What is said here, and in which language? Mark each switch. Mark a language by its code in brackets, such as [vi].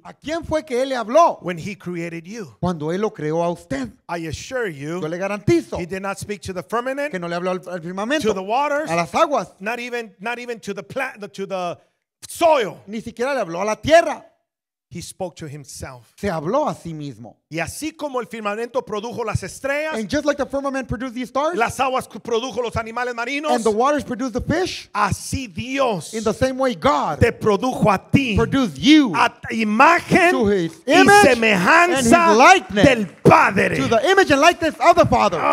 [es] ¿A quién fue que él le habló? [en] When he created you. [es] Cuando él lo creó a usted. [en] I assure you. [es] Yo le garantizo. [en] He did not speak to the firmament. [es] Que no le habló al firmamento. [en] To the waters. [es] A las aguas. [en] Not even to the plant, to the soil. [es] Ni siquiera le habló a la tierra. [en] He spoke to himself. [es] Se habló a sí mismo. Y así como el firmamento produjo las estrellas, [en] and just like the firmament produced these stars, [es] las aguas produjo los animales marinos, [en] and the waters produced the fish, [es] así Dios, [en] in the same way God, [es] te produjo a ti, [en] produced you, [es] a imagen [en] to his image [es] y semejanza [en] and his likeness [es] del Padre, [en] to the image and likeness of the Father.